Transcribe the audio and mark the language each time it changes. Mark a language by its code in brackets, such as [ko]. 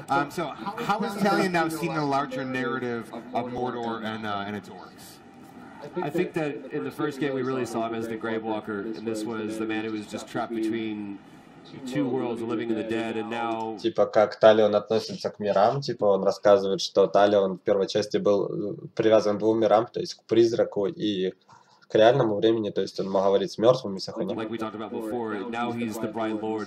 [en] So how is Talion now seeing the larger narrative of Mordor and its orcs? I think that in the first game we really saw him as the Gravewalker, and this was the man who was just trapped between two worlds, living in the dead, and now. [ru] Типа как Талион относится к мирам? Типа он рассказывает, что Талион в первой части был привязан к двум мирам, то есть к призраку и к реальному времени, то есть он мог говорить с мертвыми, с охотниками. [en] Like we talked about before, now he's the Bright Lord.